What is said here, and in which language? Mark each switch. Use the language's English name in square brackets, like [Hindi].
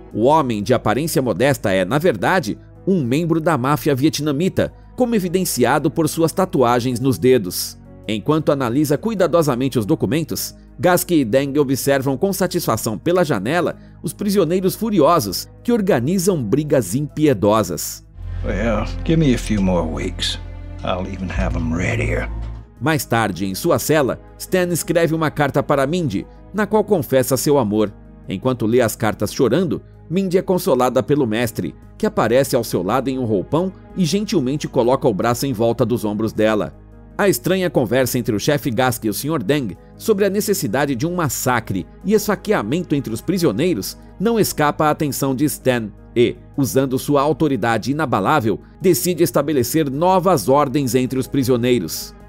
[Portuguese] O homem, de aparência modesta, é, na verdade, um membro da máfia vietnamita, como evidenciado por suas tatuagens nos dedos. Enquanto analisa cuidadosamente os documentos, Gaskey e Deng observam com satisfação pela janela os prisioneiros furiosos que organizam brigas impiedosas. [English] Well, give me a few more weeks. I'll even have them readier. [Portuguese] Mais tarde, em sua cela, Stan escreve uma carta para Mindy, na qual confessa seu amor. Enquanto lê as cartas chorando, Mindy é consolada pelo mestre, que aparece ao seu lado em um roupão e gentilmente coloca o braço em volta dos ombros dela. A estranha conversa entre o chefe Gask e o Sr. Deng sobre a necessidade de um massacre e esfaqueamento entre os prisioneiros não escapa à atenção de Stan e, usando sua autoridade inabalável, decide estabelecer novas ordens entre os prisioneiros.